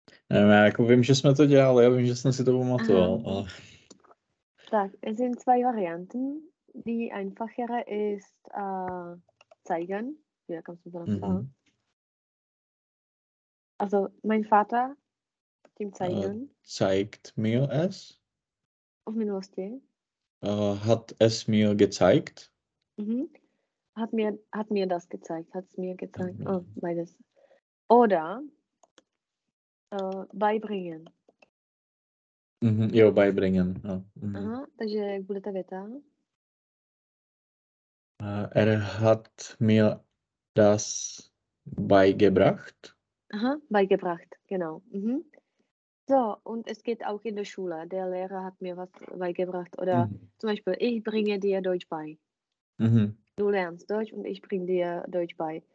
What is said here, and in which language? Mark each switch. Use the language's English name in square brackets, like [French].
[Czech] Nevím, já jako vím, že jsme to dělali, já vím, že jsem si to pamatoval. Ale... [German] Tak, es sind zwei Varianten. Die einfachere ist zeigen. Ja, kannst du das sagen? Also, mein Vater, dem zeigen. Zeigt mir es. Auf Minusti. Hat es mir gezeigt? Mhm. Hat mir das gezeigt. Hat es mir gezeigt. Oh, beides. Oder beibringen. Jo, beibringen. Jo. [Czech] Aha, takže jak bude ta věta? [German] Er hat mir das beigebracht. Aha, beigebracht, genau. Mhm. So, und es geht auch in der Schule. Der Lehrer hat mir was beigebracht. Oder zum Beispiel, ich bringe dir Deutsch bei. Du lernst Deutsch und ich bringe dir Deutsch bei.